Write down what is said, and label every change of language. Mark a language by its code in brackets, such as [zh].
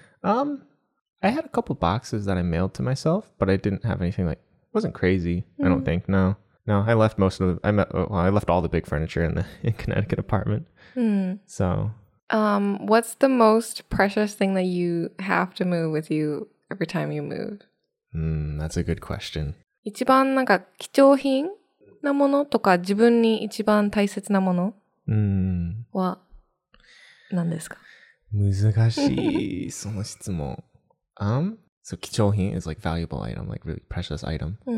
[en] I had a couple boxes that I mailed to myself, but I didn't have anything like, it wasn't crazy, I don't think, no. No, I left most of the, I left all the big furniture in Connecticut apartment. So. What's the most precious thing that you have to move with you every time you move? That's a good question. [ja] 一番なんか貴重品なものとか自分に一番大切なものは何ですか? 難しい、その質問。 [en] So, 貴重品 is like valuable item, like really precious item.